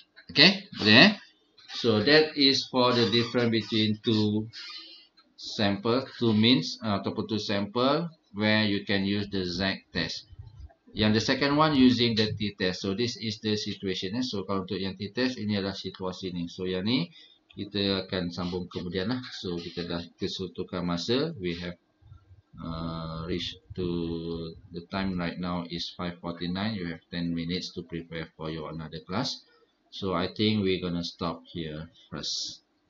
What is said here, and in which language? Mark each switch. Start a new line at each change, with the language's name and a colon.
English: Okay, there. So that is for the difference between two sample, two means, ataupun two sample where you can use the ZAC test. Yang the second one using the t-test. So this is the situation. Eh?
Malay: So kalau untuk yang t-test, ini adalah situasi ni. So yang ni, kita akan sambung kemudian lah. So kita dah kesutukan masa.
English: We have reached to the time right now is 5:49. You have 10 minutes to prepare for your another class. So I think we're going to stop here first.